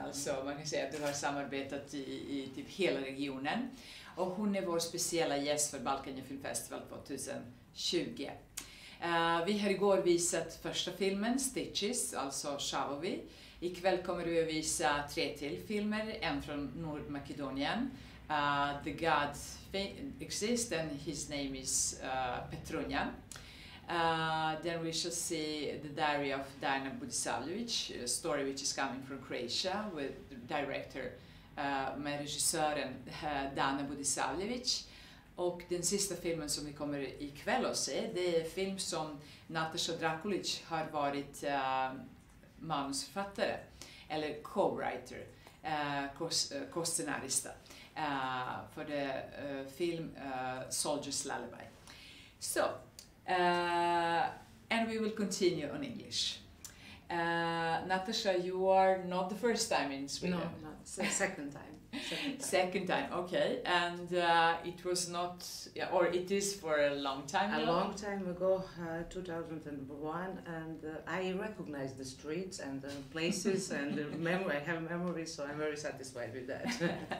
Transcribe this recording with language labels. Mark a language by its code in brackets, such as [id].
[sv] Alltså man kan säga att du har samarbetat i typ hela regionen. Och hon är vår speciella gäst för Balkan Film Festival 2020. Vi har igår visat första filmen, Stitches, alltså Shavovi. Ikväll kommer vi att visa tre till filmer, en från Nordmakedonien. [en] The God Exists and His Name is Petrunjan. Then we shall see The Diary of Diana Budisavljevic, a story which is coming from Croatia with director, [sv] med regissören Diana Budisavljevic. [en] Och den sista filmen som vi kommer ikväll att se, det är en film som Natasa Drakulic har varit manusförfattare, eller co-writer, co-scenarista, för det film Soldier's Lullaby. So, and we will continue on English. Natasa, you are not the first time in Sweden. No, not second time. Second time, okay. And it was not, or it is for a long time ago? A long time ago, 2001, and I recognize the streets and the places and the memory. I have memories, so I'm very satisfied with that.